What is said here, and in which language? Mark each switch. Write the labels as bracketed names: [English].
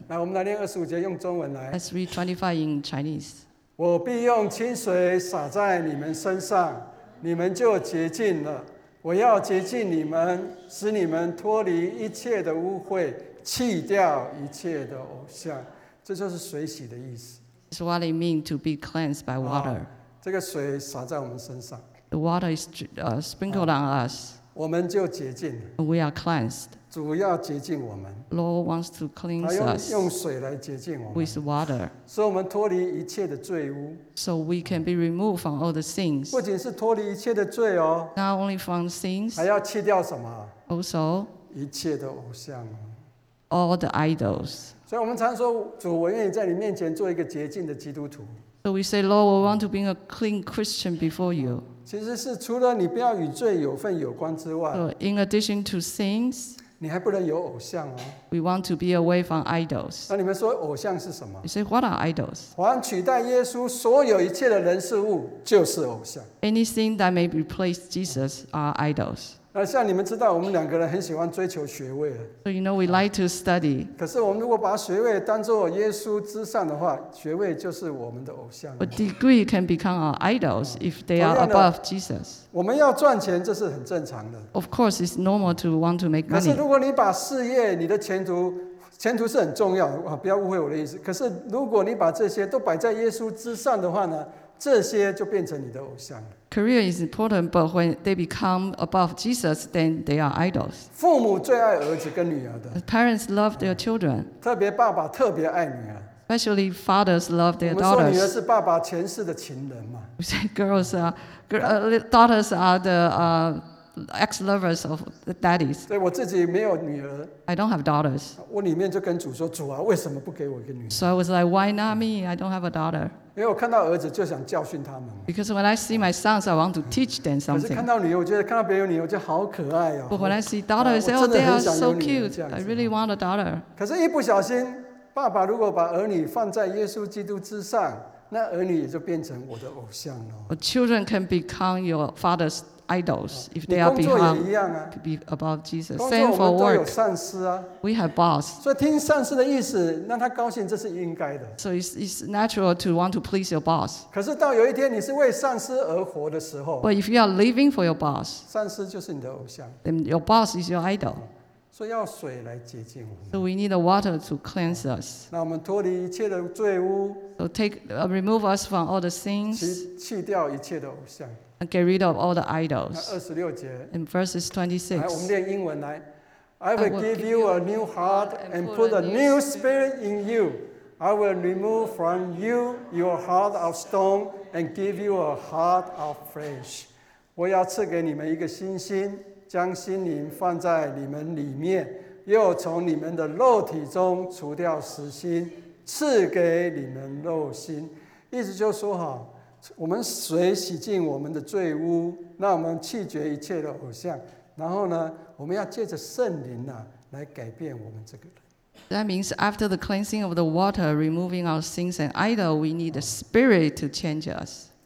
[Chinese] 来，我们来念二十五节，用中文来。 [English] Let's read 25 in Chinese。 [Chinese] 我必用清水洒在你们身上，你们就洁净了。我要洁净你们，使你们脱离一切的污秽，弃掉一切的偶像。这就是水洗的意思。 [English] It's what it means to be cleansed by water。 [Chinese] 这个水洒在我们身上 [English] ，The water is sprinkled on us. [Chinese] 我们就洁净 [English] ，We are cleansed. [Chinese] 主要洁净我们 [English] ，Lord wants to cleanse us. [Chinese] 用水来洁净我们 [English] ，With water. [Chinese] 所以我们脱离一切的罪污 [English] ，So we can be removed from all the sins. [Chinese] 不仅是脱离一切的罪哦 [English] ，Not only from sins. [Chinese] 还要弃掉什么 [English] ？Also [Chinese] 一切的偶像 [English] ，All the idols. [Chinese] 所以我们常说，主，我愿意在你面前做一个洁净的基督徒。 [English] So we say, Lord, we want to be a clean Christian before you. [Chinese] 其实是除了你不要与罪有份有关之外 [English] So in addition to sins, [Chinese] 你还不能有偶像哦。 [English] We want to be away from idols. [Chinese] 那你们说偶像是什么？ [English] You say, what are idols? [Chinese] 凡取代耶稣所有一切的人事物就是偶像。 [English] Anything that may replace Jesus are idols. [Chinese] 那像你们知道我们两个人很喜欢追求学位。 [English] So you know, we like to study. [Chinese] 可是我们如果把学位当作耶稣之上的话，学位就是我们的偶像。 [English] A degree can become our idols if they are above Jesus. [Chinese] 我们要赚钱，这是很正常的。 [English] Of course, it's normal to want to make money. [Chinese] 可是如果你把事业、你的前途是很重要，不要误会我的意思。可是如果你把这些都摆在耶稣之上的话呢，这些就变成你的偶像。 [English] Career is important, but when they become above Jesus, then they are idols. [Chinese] 父母最爱儿子跟女儿的。 [English] Parents love their children. [Chinese] 特别爸爸特别爱女儿。 [English] Especially fathers love their daughters. [Chinese] 我们说女儿是爸爸前世的情人嘛。 [English] We say girls are, daughters are the ex-lovers of the daddies. [Chinese] 对，我自己没有女儿。 [English] I don't have daughters. [Chinese] 我里面就跟主说，主啊，为什么不给我一个女儿？ [English] So I was like, why not me? I don't have a daughter. [Chinese] 因为我看到儿子就想教训他们。 [English] Because when I see my sons, I want to teach them something. [Chinese] 可是看到女儿，我觉得看到别人女儿，我觉得好可爱哦。 [English] But when I see daughter, I say, oh, they are so cute. I really want a daughter. [Chinese] 可是，一不小心，爸爸如果把儿女放在耶稣基督之上，那儿女也就变成我的偶像了。 [English] Children can become your father's idols if they are behind above Jesus. Same for work. We have boss. [Chinese] 所以听上司的意思，让他高兴，这是应该的。 [English] So it's natural to want to please your boss. [Chinese] 可是到有一天你是为上司而活的时候 [English] ，But if you are living for your boss, [Chinese] 上司就是你的偶像。 [English] Then your boss is your idol. [Chinese] 所以要水来洁净我们。 [English] So we need the water to cleanse us. [Chinese] 那我们脱离一切的罪污。 [English] So take remove us from all the sins. [Chinese] 弃掉一切的偶像。 [English] Get rid of all the idols. [Chinese] 26节, [English] in verses 26, [Chinese] 来, 我们念英文来, [English] I will give you a new heart and put a new spirit in you. I will remove from you your heart of stone and give you a heart of flesh. [Chinese] 我要赐给你们一个新心，将心灵放在你们里面，又从你们的肉体中除掉死心，赐给你们肉心。意思就说好。我们水洗净我们的罪污，那我们弃绝一切的偶像，然后呢，我们要借着圣灵啊，来改变我们这个人。 [English] That means after the cleansing of the water, removing our sins and idol, we need the Spirit to change us.